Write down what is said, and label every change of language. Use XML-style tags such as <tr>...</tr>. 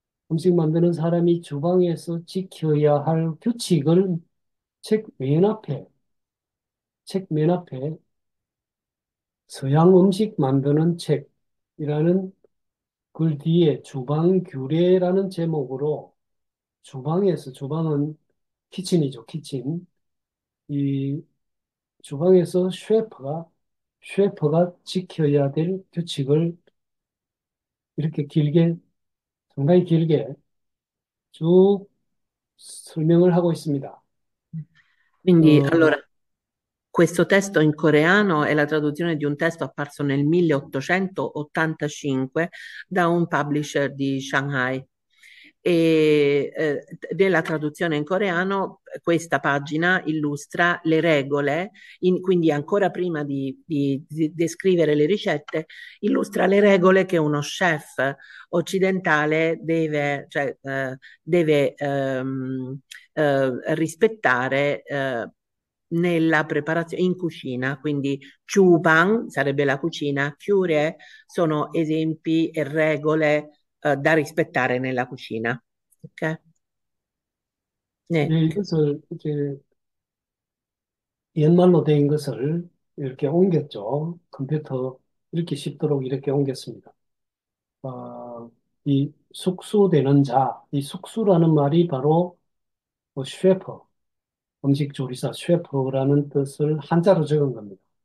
<ko>음식 만드는 사람이 주방에서 지켜야 할 규칙을 책맨 앞에 서양 음식 만드는 책이라는 글 뒤에 주방 규례라는 제목으로 주방은 키친이죠, 키친. 이 주방에서 셰프가 지켜야 될 규칙을 이렇게 상당히 길게 쭉 설명을 하고 있습니다.</ko> <it>Quindi, allora, questo testo in coreano è la traduzione di un testo apparso nel 1885 da un publisher di Shanghai. E nella traduzione in coreano, questa pagina illustra le regole, quindi ancora prima di descrivere le ricette, illustra le regole che uno chef occidentale deve rispettare nella preparazione in cucina. Quindi chuban sarebbe la cucina, kyure sono esempi e regole da rispettare nella cucina.</it> <ko>네, 이것을 이제 옛말로 된 것을 이렇게 옮겼죠. 컴퓨터 읽기 쉽도록 이렇게 옮겼습니다. 이 숙수되는 자, 이 숙수라는 말이 바로 셰프, 음식 조리사 셰프라는 뜻을 한자로 적은 겁니다.</ko>